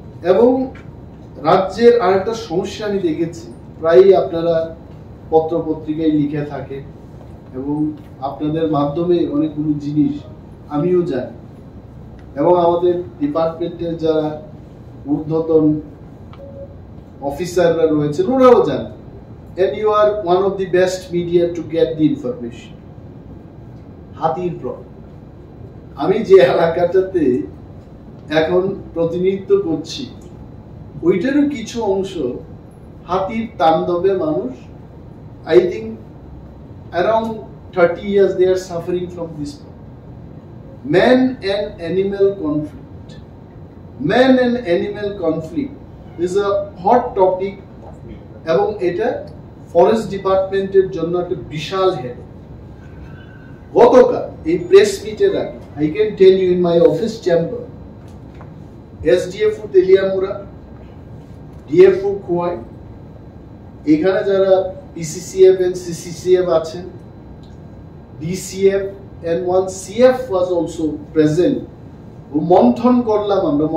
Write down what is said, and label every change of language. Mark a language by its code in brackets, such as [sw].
[bn] এবং রাজ্যের আরেকটা সমস্যা আমি দেখেছি, প্রায়ই আপনারা পত্রপত্রিকায় লিখে থাকে এবং আপনাদের মাধ্যমে অনেকগুলো জিনিস আমিও জানি, এবং আমাদের ডিপার্টমেন্টের যারা ঊর্ধ্বতন অফিসাররা রয়েছেন ওরাও জান, [en] and you are one of the best media to get the information, [bn] হাতির প্রবলেম। আমি যে এলাকাটাতে এখন প্রতিনিধিত্ব করছি ওইটারও কিছু অংশ হাতির তাণ্ডবে মানুষ [en] I think around 30 years they are suffering from this problem. Man and animal conflict. Man and animal conflict is a hot topic. [bn] এবং এটা ফরেস্ট ডিপার্টমেন্টের জন্য একটা বিশাল হেড। গতকাল এই প্রেস মিটের আগে [en] I can tell you in my office chamber [bn] SDF Teliamura, DF Khowai, এখানে যারা পিসিসিএফ এন্ড সিসিসিএফ আছেন, [en] DCF and one CF was also present, [bn] মন্থন করলাম আমরা।